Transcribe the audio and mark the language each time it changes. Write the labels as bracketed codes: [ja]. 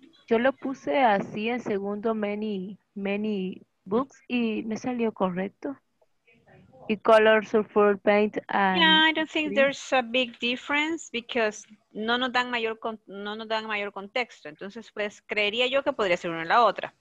[es] Yo lo puse así en segundo, [en] many books, [es] y me salió correcto. [en] Y colors of full paint. Yeah, I don't think there's a big difference because [es] no nos dan mayor contexto. Entonces, pues, creería yo que podría ser una o la otra.